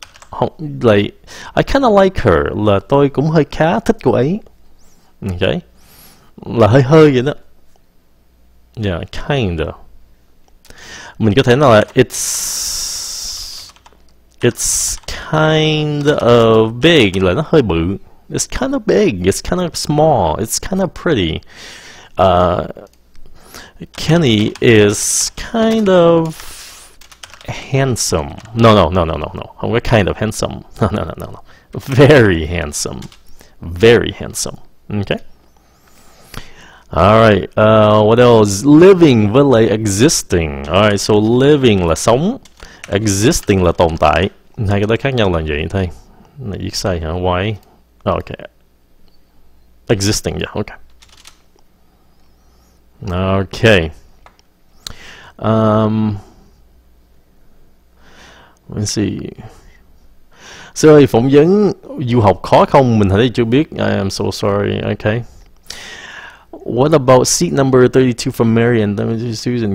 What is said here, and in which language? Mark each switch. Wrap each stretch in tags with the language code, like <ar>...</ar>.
<vi>Không, like,</vi> <en>I kind of like her.</en> <vi>Là tôi cũng hơi khá thích cô ấy. Okay. Là hơi hơi vậy đó. Yeah, kind of. Mình có thể nói là</vi> <en>it's kind of big,</en> <vi>là nó hơi bự.</vi> <en>It's kind of big, it's kind of small, it's kind of pretty. Kenny is kind of handsome. No.</en> <vi>Không có</vi> <en>kind of handsome. No. Very handsome. Very handsome. Okay? Alright, what else?</en> <vi>Living với lại existing. Alright, so living là sống, existing là tồn tại. Hai cái đó khác nhau là vậy thôi. Là viết sai hả?</vi> <en>Why? Okay. Existing, yeah, okay. Okay. Let's see.</en> <vi>Sư ơi, phỏng vấn du học khó không? Mình thấy chưa biết.</vi> <en>I am so sorry, okay. What about seat number 32 from Mary and Susan?</en>